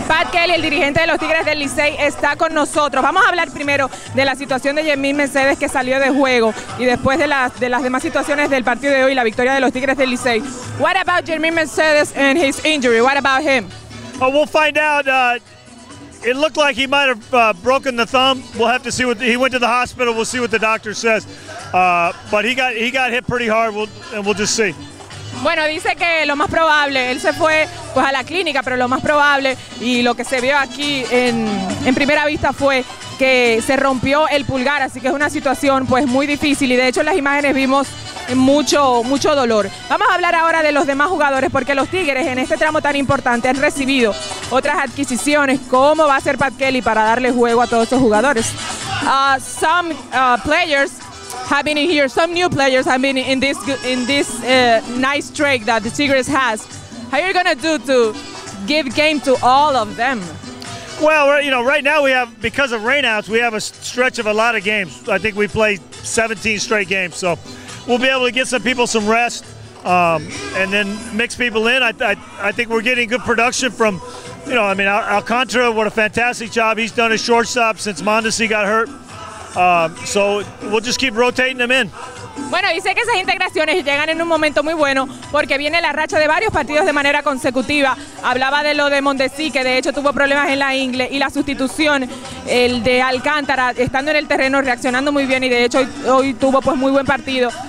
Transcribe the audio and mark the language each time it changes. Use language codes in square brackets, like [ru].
[es] Kelly, el dirigente de los Tigres del Licey, está con nosotros. Vamos a hablar primero de la situación de Yemir Mercedes, que salió de juego, y después de las demás situaciones del partido de hoy, la victoria de los Tigres del Licey. [en] What about Yemir Mercedes and his injury? What about him? Oh, we'll find out. It looked like he might have broken the thumb. We'll have to see he went to the hospital. We'll see what the doctor says. But he got hit pretty hard. We'll just see. [es] Bueno, dice que lo más probable, él se fue pues a la clínica, pero lo más probable y lo que se vio aquí en primera vista fue que se rompió el pulgar, así que es una situación pues muy difícil y de hecho en las imágenes vimos mucho dolor. Vamos a hablar ahora de los demás jugadores porque los Tigres en este tramo tan importante han recibido otras adquisiciones. ¿Cómo va a ser Pat Kelly para darle juego a todos esos jugadores? [en] Some players have been in here. Some new players have been in this nice trade that the Tigres has. How are you going to do to give game to all of them? Well, you know, right now we have, because of rainouts, we have a stretch of a lot of games. I think we play 17 straight games, so we'll be able to get some people some rest and then mix people in. I think we're getting good production from, you know, I mean, Alcantara, what a fantastic job he's done at shortstop since Mondesi got hurt. So we'll just keep rotating them in. [es] Bueno, dice que esas integraciones llegan en un momento muy bueno porque viene la racha de varios partidos de manera consecutiva. Hablaba de lo de Mondesi, que de hecho tuvo problemas en la ingle, y la sustitución, el de Alcántara, estando en el terreno, reaccionando muy bien, y de hecho hoy tuvo pues muy buen partido.